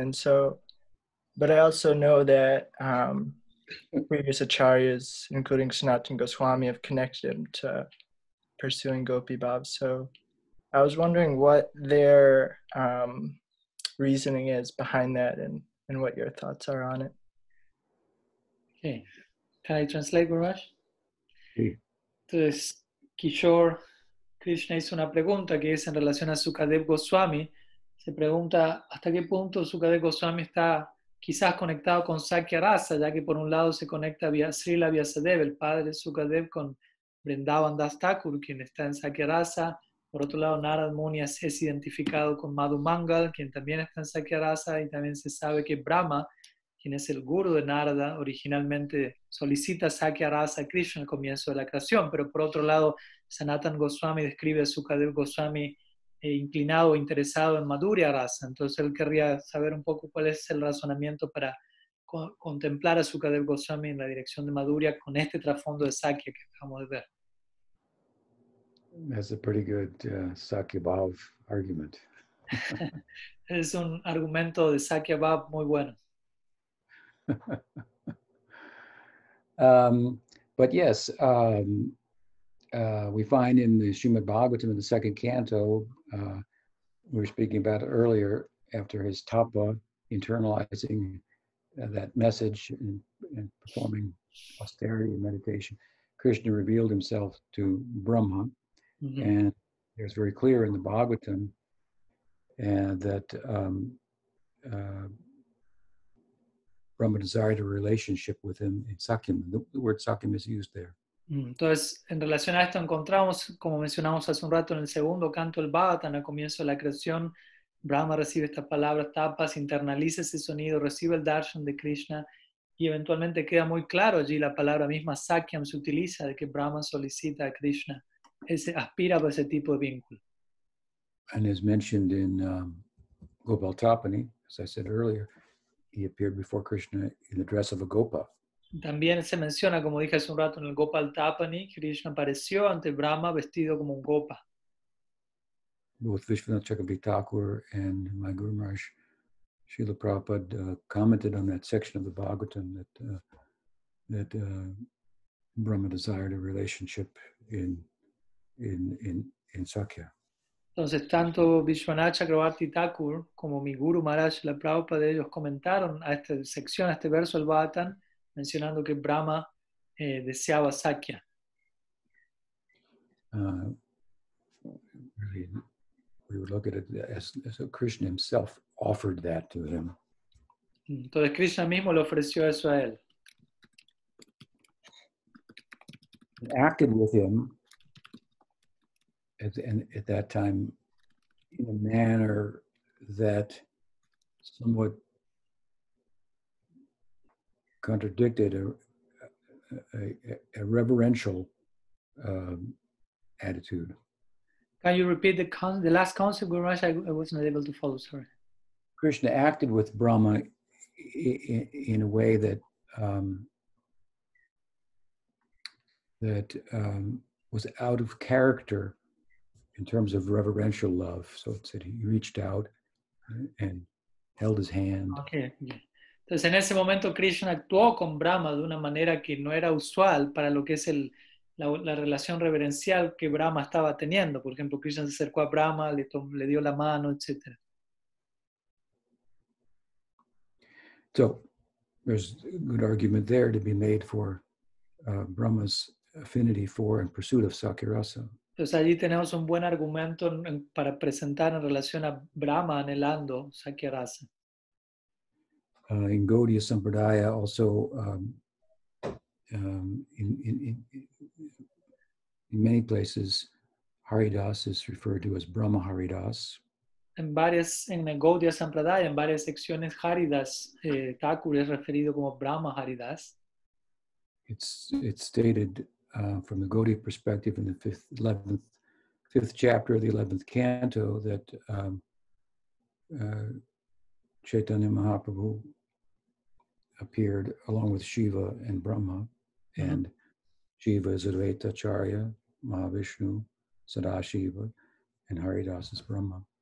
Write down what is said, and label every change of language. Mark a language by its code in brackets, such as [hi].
[en] And so, but I also know that previous acharyas, including Sanatana Goswami, have connected him to pursuing Gopi Bhav. So I was wondering what their reasoning is behind that, and what your thoughts are on it. Okay. Can I translate, Guruvash? [es] Sí. Entonces, Kishore, Krishna hizo una pregunta que es en relación a Sukadev Goswami. Se pregunta hasta qué punto Sukadev Goswami está quizás conectado con Sakya Rasa, ya que por un lado se conecta via Srila Vyasadeva, el padre Sukadev, con Vrindavan Das Thakur, quien está en Sakya Rasa. Por otro lado, Narad Muni es identificado con Madhu Mangal, quien también está en Sakya Rasa, y también se sabe que Brahma, quien es el guru de Narada, originalmente solicita Sakya Rasa a Krishna al comienzo de la creación. Pero por otro lado, Sanatan Goswami describe a Sukadev Goswami inclinado o interesado en Madhurya Rasa. Entonces él querría saber un poco cuál es el razonamiento para contemplar a Sukadev Goswami en la dirección de Madhurya con este trasfondo de Sakya que acabamos de ver. [en] That's a pretty good Sakya Bhav argument. [es] Es un argumento de Sakya Bhav muy bueno. [en] But yes, we find in the Srimad Bhagavatam in the second canto, we were speaking about it earlier, after his tapa, internalizing that message and performing austerity and meditation, Krishna revealed himself to Brahma. Mm-hmm. And it's very clear in the Bhagavatam that Brahma desired a relationship with him in Sakyam. The word Sakyam is used there. [es] Entonces, en relación a esto, encontramos, como mencionamos hace un rato, en el segundo canto del Bhagavatam, al comienzo de la creación, Brahma recibe estas palabras, tapas, internaliza ese sonido, recibe el darshan de Krishna, y eventualmente queda muy claro allí la palabra misma, Sakyam, se utiliza, de que Brahma solicita a Krishna. Ese, aspira a ese tipo de vínculo. [en] And as mentioned in Gopal Tapani, as I said earlier, he appeared before Krishna in the dress of a Gopa. [es] También se menciona, como dije hace un rato, en el Gopal Tapani, Krishna apareció ante Brahma vestido como un Gopa. [en] Both Vishwanath Chakravarti Thakur and my Guru Maharaj, Srila Prabhupada, commented on that section of the Bhagavatam that Brahma desired a relationship in Sakya. [es] Entonces, tanto Vishwanath Chakravarti Thakur como mi Guru Maharaj, la Prabhupada de ellos, comentaron a esta sección, a este verso del Bhagavatam, mencionando que Brahma deseaba Sakya. [en] Really, we would look at it as Krishna himself offered that to him. [es] Entonces, Krishna mismo le ofreció eso a él. [en] He acted with him at that time in a manner that somewhat contradicted a reverential attitude. Can you repeat the last concept, Guru Maharaj? I wasn't able to follow, sorry. Krishna acted with Brahma in a way that was out of character in terms of reverential love. So it said he reached out and held his hand. Okay. [es] Entonces, en ese momento, Krishna actuó con Brahma de una manera que no era usual para lo que es la relación reverencial que Brahma estaba teniendo. Por ejemplo, Krishna se acercó a Brahma, le dio la mano, etc. [en] So, there's a good argument there to be made for Brahma's affinity for and pursuit of Sakya Rasa. [es] Entonces, allí tenemos un buen argumento para presentar en relación a Brahma anhelando Sakya Rasa. [en] In Gaudiya Sampradaya, also in many places, Haridas is referred to as Brahma Haridas. [es] En Gaudiya Sampradaya, en varias secciones, Haridas Thakur es referido como Brahma Haridas. [en] It's stated from the Gaudiya perspective in the fifth chapter of the 11th canto that Chaitanya Mahaprabhu appeared along with Shiva and Brahma, and Shiva is Advaita Acharya, Mahavishnu, Sadashiva, and Haridas is Brahma.